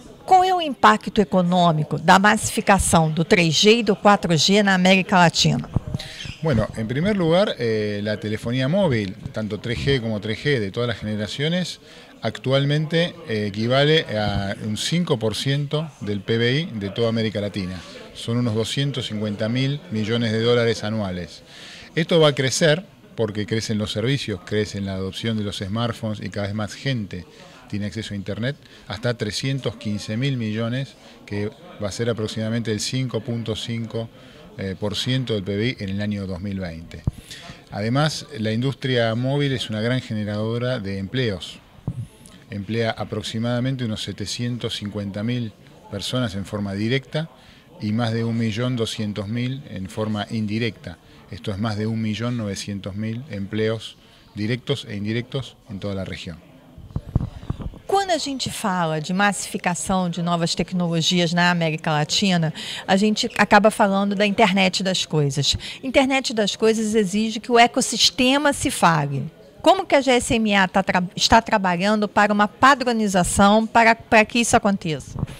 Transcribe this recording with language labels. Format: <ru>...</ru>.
<pt>Qual é o impacto econômico da massificação do 3G e do 4G na América Latina?</pt> <es>Bueno, en primer lugar, la telefonía móvil, tanto 3G como 3G de todas las generaciones, actualmente equivale a un 5% del PBI de toda América Latina. Son unos 250 mil millones de dólares anuales. Esto va a crecer porque crecen los servicios, crece la adopción de los smartphones y cada vez más gente tiene acceso a Internet, hasta 315 mil millones, que va a ser aproximadamente el 5.5%. Por ciento del PBI en el año 2020. Además, la industria móvil es una gran generadora de empleos. Emplea aproximadamente unos 750.000 personas en forma directa y más de 1.200.000 en forma indirecta. Esto es más de 1.900.000 empleos directos e indirectos en toda la región.</es> <pt>Quando a gente fala de massificação de novas tecnologias na América Latina, a gente acaba falando da internet das coisas. Internet das coisas exige que o ecossistema se fale. Como que a GSMA está trabalhando para uma padronização para que isso aconteça?</pt>